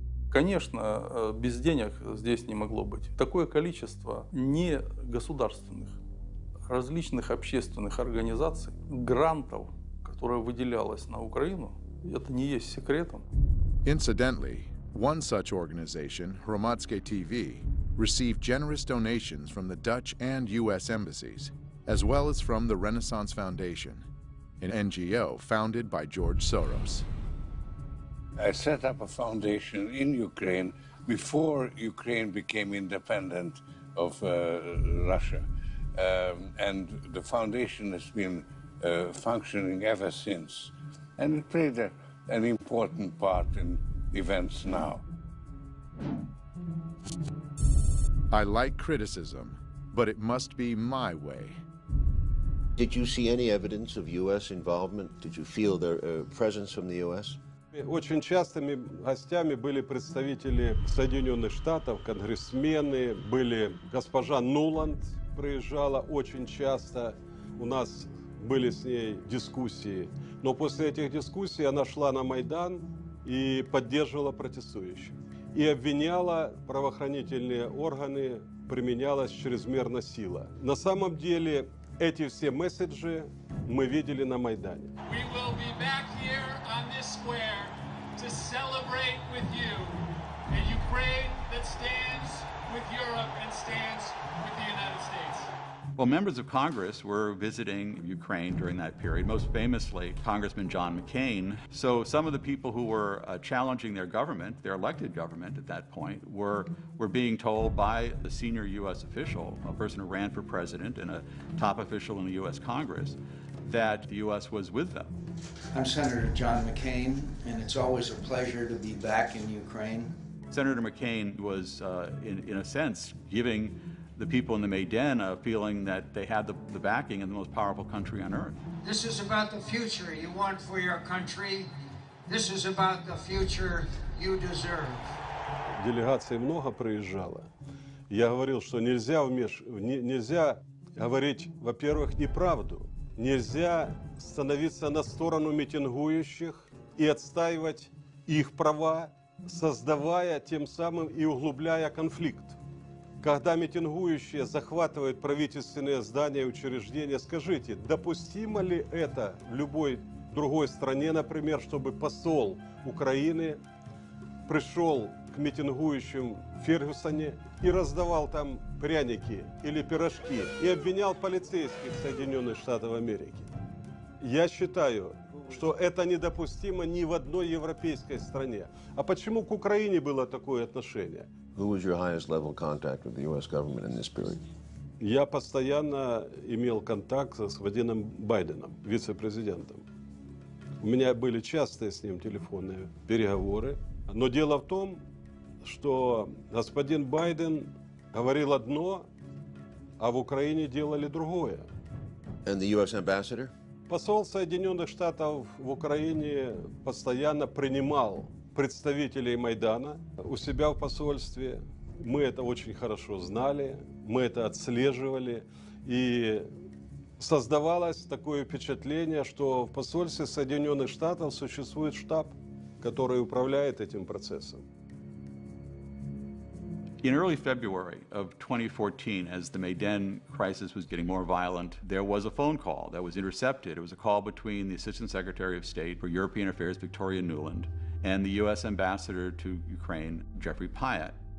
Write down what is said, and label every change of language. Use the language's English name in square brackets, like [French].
[Russian] Конечно, без денег здесь не могло быть. Такое количество не государственных, различных общественных организаций, грантов, которая выделялась на Украину, это не есть секретом. [English] Incidentally, one such organization, Hromadske TV, received generous donations from the Dutch and US embassies, as well as from the Renaissance Foundation, an NGO founded by George Soros. I set up a foundation in Ukraine before Ukraine became independent of Russia. And the foundation has been functioning ever since. And it played an important part in events now. I like criticism, but it must be my way. Did you see any evidence of U.S. involvement? Did you feel their presence from the U.S.? [Russian] Очень частыми гостями были представители Соединенных Штатов, конгрессмены, были госпожа Нуланд приезжала очень часто. У нас были с ней дискуссии. Но после этих дискуссий она шла на Майдан и поддерживала протестующих. И обвиняла правоохранительные органы, применялась чрезмерно сила. На самом деле эти все месседжи мы видели на Майдане. [English] To celebrate with you, a Ukraine that stands with Europe and stands with the United States. Well, members of Congress were visiting Ukraine during that period, most famously Congressman John McCain. So some of the people who were challenging their government, their elected government at that point, were being told by the senior U.S. official, a person who ran for president and a top official in the U.S. Congress, that the U.S. was with them. I'm Senator John McCain, and it's always a pleasure to be back in Ukraine. Senator McCain was, in a sense, giving the people in the Maidan a feeling that they had the backing of the most powerful country on earth. This is about the future you want for your country. This is about the future you deserve. [Russian] Делегация много приезжала. Я говорил, что нельзя нельзя говорить, во-первых, неправду. Нельзя становиться на сторону митингующих и отстаивать их права, создавая тем самым и углубляя конфликт. Когда митингующие захватывают правительственные здания и учреждения, скажите, допустимо ли это в любой другой стране, например, чтобы посол Украины пришел к митингующим в Фергюсоне и раздавал там пряники или пирожки и обвинял полицейских Соединенных Штатов Америки. Я считаю, что это недопустимо ни в одной европейской стране. А почему к Украине было такое отношение? [English] Who was your highest level contact with the U.S. government in this period? [Russian] Я постоянно имел контакт с господином Байденом, вице-президентом. У меня были частые с ним телефонные переговоры. Но дело в том, что господин Байден говорил одно, а в Украине делали другое. [English] And the U.S. ambassador? [Russian] Посол Соединенных Штатов в Украине постоянно принимал представителей Майдана у себя в посольстве. Мы это очень хорошо знали, мы это отслеживали. И создавалось такое впечатление, что в посольстве Соединенных Штатов существует штаб, который управляет этим процессом. [English] In early February of 2014, as the Maidan crisis was getting more violent, there was a phone call that was intercepted. It was a call between the Assistant Secretary of State for European Affairs, Victoria Nuland, and the U.S. Ambassador to Ukraine, Jeffrey Pyatt.